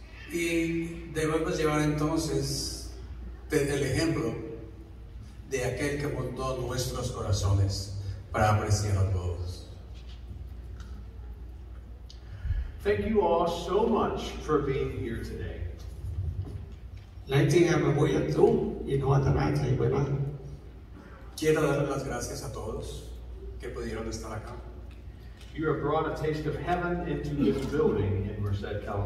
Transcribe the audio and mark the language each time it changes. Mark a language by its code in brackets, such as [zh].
[es] Y debemos llevar entonces el ejemplo de aquel que montó nuestros corazones para apreciar a todos. [en] Thank you all so much for being here today. [es] Quiero dar las gracias a todos que pudieron estar acá. [en] You have brought a taste of heaven into this building in Merced,